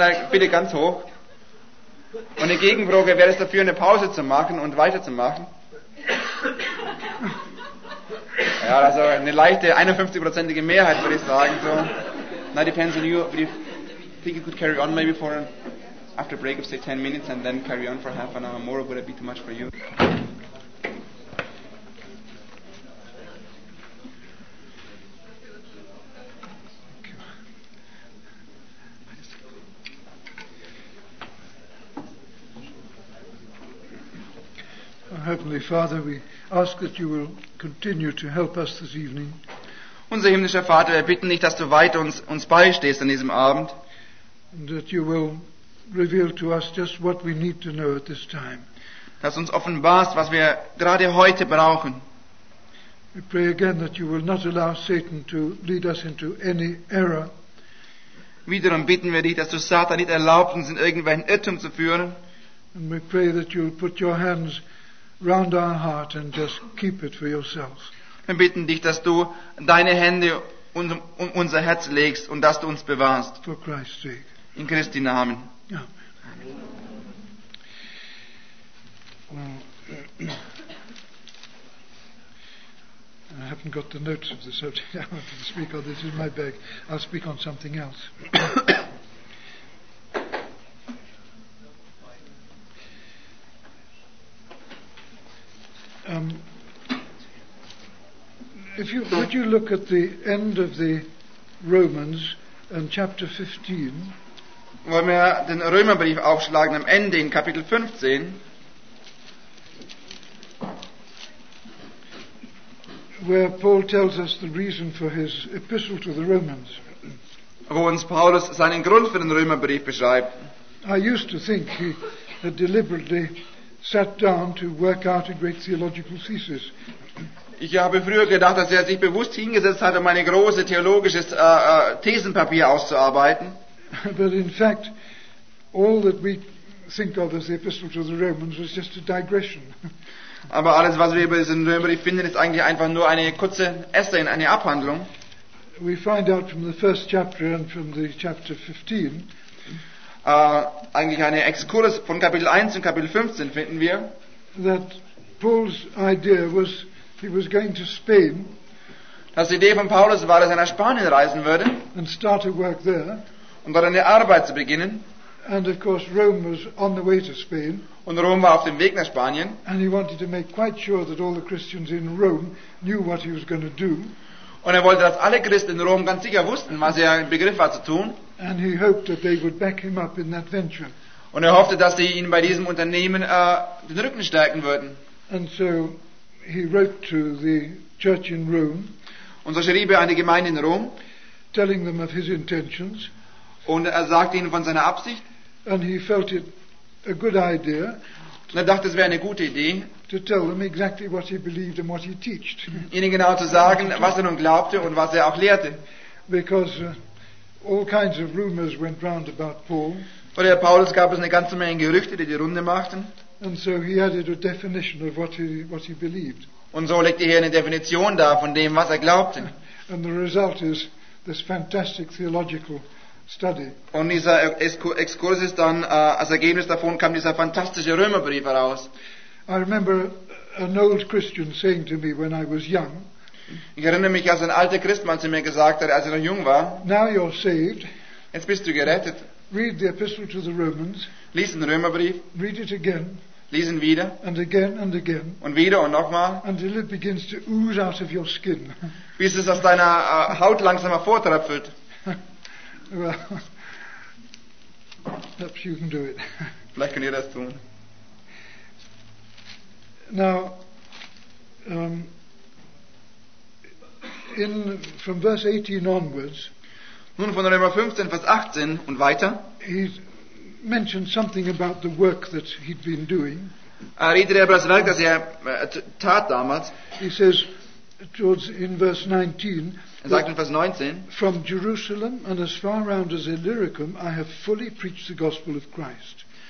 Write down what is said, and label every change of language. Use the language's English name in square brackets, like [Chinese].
[German] bitte ganz hoch. Und eine Gegenfrage, wäre es dafür, eine Pause zu machen und weiterzumachen? Ja, also eine leichte 51%ige Mehrheit, würde ich sagen. So. [English] Now it depends on you, but if you think you could carry on maybe for after a break of say 10 minutes and then carry on for half an hour more, would it be too much for you? Heavenly Father, we ask that you will continue to help us this evening. [German] Unser himmlischer Vater, wir bitten dich, dass du weiter uns beistehst an diesem Abend. [English] And that you will reveal to us just what we need to know at this time. [German] Dass uns offenbarst, was wir gerade heute brauchen. [English] We pray again that you will not allow Satan to lead us into any error. [German] Wiederum bitten wir dich, dass du Satan nicht erlaubst, uns in irgendwelchen Irrtum zu führen. [English] And we pray that you will put your hands round our heart and just keep it for yourself. [German] Wir bitten dich, dass du deine Hände um unser Herz legst und dass du uns bewahrst. [English] For Christ's sake. [German] In Christi Namen. [English] Amen. I haven't got the notes of the subject. I want to speak on this in my bag. I'll speak on something else. Would you look at the end of the Romans and chapter 15? [German] Wollen wir den Römerbrief aufschlagen am Ende in Kapitel 15? [English] Where Paul tells us the reason for his epistle to the Romans. [German] Wo uns Paulus seinen Grund für den Römerbrief beschreibt. [English] I used to think he had deliberately sat down to work out a great theological thesis. [German] Ich habe früher gedacht, dass er sich bewusst hingesetzt hat, um ein großes theologisches Thesenpapier auszuarbeiten. [English] But in fact, all that we think of as the Epistle to the Romans was just a digression. [German] Aber alles, was wir über diesen Römerbrief finden, ist eigentlich einfach nur eine kurze Essay in eine Abhandlung. [English] We find out from the first chapter and from the chapter 15. [German] Eigentlich eine Exkurs von Kapitel 1 und Kapitel 15 finden wir. [English] That Paul's idea was he was going to Spain. [German] Dass die Idee von Paulus war, dass er nach Spanien reisen würde. [English] And start to work there. [German] Und dort eine Arbeit zu beginnen. [English] And of course Rome was on the way to Spain. [German] Und Rom war auf dem Weg nach Spanien. [English] And he wanted to make quite sure that all the Christians in Rome knew what he was going to do. [German] Und er wollte, dass alle Christen in Rom ganz sicher wussten, was er im Begriff war zu tun. [English] And he hoped that they would back him up in that venture. [German] Und er hoffte, dass sie ihn bei diesem Unternehmen den Rücken stärken würden. [English] And so he wrote to the church in Rome. [German] Und so schrieb er an die Gemeinde in Rom, [English] telling them of his intentions. [German] Und er sagte ihnen von seiner Absicht. [English] And he felt it a good idea. [German] Und er dachte, es wäre eine gute Idee, [English] to tell them exactly what he believed and what he taught. [German] Ihnen genau zu sagen, was er nun glaubte und was er auch lehrte. [English] Because all kinds of rumors went round about Paul. [German] Weil der Paulus gab es eine ganze Menge Gerüchte, die Runde machten. [English] And so he added a definition of what he believed. [German] Und so legte er eine Definition dar von dem, was er glaubte. [English] And the result is this fantastic theological study. [German] Und dieser Exkurs ist dann als Ergebnis davon kam dieser fantastische Römerbrief heraus. [English] I remember an old Christian saying to me when I was young. [German] Ich erinnere mich, als ein alter Christ mal zu mir gesagt hat, als ich noch jung war. [English] Now you're saved. [German] Jetzt bist du gerettet. [English] Read the Epistle to the Romans. [German] Lies den Römerbrief. [English] Read it again. [German] Lies ihn wieder. [English] And again and again. [German] Und wieder und nochmal. [English] Until it begins to ooze out of your skin. [German] Bis es aus deiner Haut langsam hervortröpfelt. [English] Well, perhaps you can do it. [German] Vielleicht könnt ihr das tun. [English] Now, from verse 18 onwards, [German] nun von Römer 15, Vers 18 und weiter, [English] he mentioned something about the work that he'd been doing. [German] Redet über das Werk, das er tat damals. [English] He says, in verse 19, [German] er sagt in Vers 19, [English] from Jerusalem and as far round as Illyricum, I have fully preached the gospel of Christ.